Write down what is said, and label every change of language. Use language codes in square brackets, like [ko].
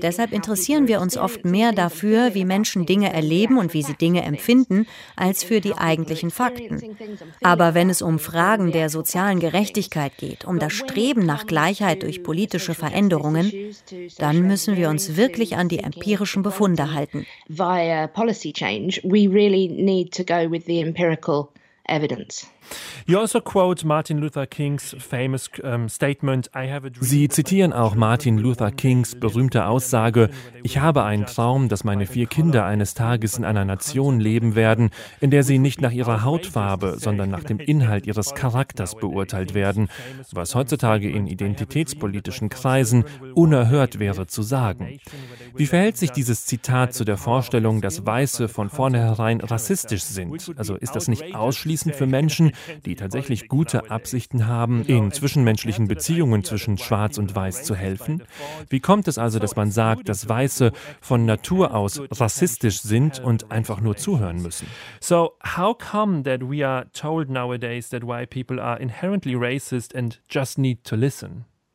[de] Deshalb interessieren wir uns oft mehr dafür, wie Menschen Dinge erleben und wie sie Dinge empfinden, als für die eigentlichen Fakten. Aber wenn es um Fragen der sozialen Gerechtigkeit geht, um das Streben nach Gleichheit durch politische Veränderungen, dann müssen wir uns wirklich an die empirischen Befunde halten. [en] Via policy change, we really need to go with the empirical evidence. You also quote Martin Luther King's famous statement, I have a dream. [de] Sie zitieren auch Martin Luther Kings berühmte Aussage, ich habe einen Traum, dass meine vier Kinder eines Tages in einer Nation leben werden, in der sie nicht nach ihrer Hautfarbe, sondern nach dem Inhalt ihres Charakters beurteilt werden, was heutzutage in identitätspolitischen Kreisen unerhört wäre zu sagen. Wie verhält sich dieses Zitat zu der Vorstellung, dass Weiße von vornherein rassistisch sind? Also ist das nicht ausschließend für Menschen, die tatsächlich gute Absichten haben, in zwischenmenschlichen Beziehungen zwischen Schwarz und Weiß zu helfen? Wie kommt es also, dass man sagt, dass Weiße von Natur aus rassistisch sind und einfach nur zuhören müssen? [en] So, how come that we are told nowadays that white people are inherently racist and just need to listen?